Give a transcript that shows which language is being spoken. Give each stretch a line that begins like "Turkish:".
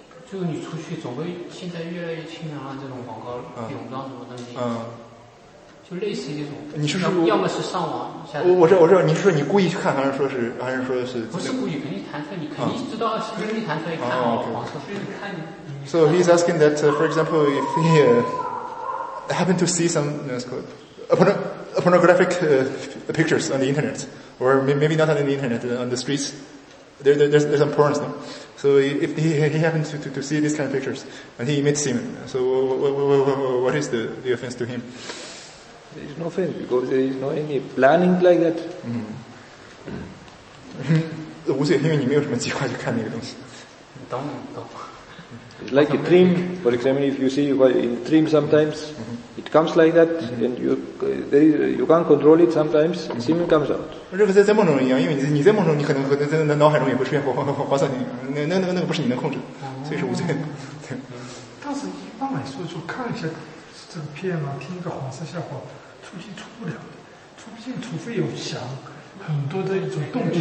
Chinese: 就是你出去，总会现在越来越清凉了，这种广告、泳装什么的那些。就类似于这种，你是说要么是上网下载？我知道，你是说你故意去看，还是说是？不是故意，肯定弹出来，你肯定知道是故意弹出来看黄色，就是看你。
English: So he's asking that,、for example, if he、happen to see some, you know, pornographic、pictures on the internet, or maybe not on the internet, on the streets, there's some porns now. So if he happens to see these kind of pictures, and he emits semen, so what is the offense to him? There is no offense because there is no any planning like that.
Chinese: 嗯，无罪，因为你没有什么计划去看那个东西。懂。
English: Like a dream, for example, if you see in dream sometimes, it comes like that, and you can't control it. Sometimes semen comes out.
Chinese: 这个在梦中一样，因为你在梦中，你可能在脑海中也会出现黄色电影，那个不是你能控制，所以是无罪的。对。但是一般来说，就看一下这个片啊，听一个黄色笑话。出镜出不了的，出镜除非有想很多的一种动机。